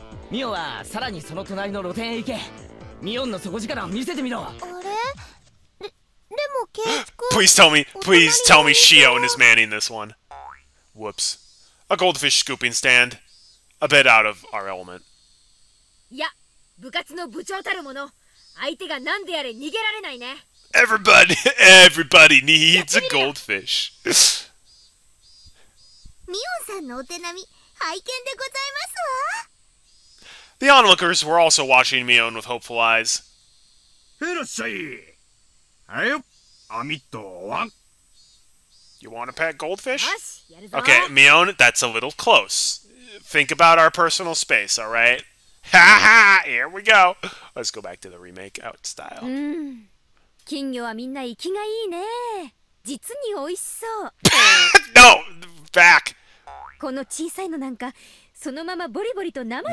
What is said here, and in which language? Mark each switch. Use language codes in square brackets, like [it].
[en] Please tell me Shio and his manning this one. Whoops. A goldfish scooping stand. A bit out of our element. Yeah, [ja] 部活の部長たるもの、相手が何であれ逃げられないね。 [en] Everybody needs a goldfish. [ja] ミオンさんのお手並み拝見でございますわ。 [en] The onlookers were also watching Mion with hopeful eyes. [ja] いらっしゃい。はい、アミットワン。 [en] You want to pet goldfish? [ja] よし、やるぞ。 [en] Okay, Mion, that's a little close. Think about our personal space, all right? Ha ha! Here we go. Let's go back to the remake out style. [ja] 金魚はみんな生きがいいね。実に美味しそう。 [en] No, back. [ja] この小さいのなんか、そのままボリボリと生で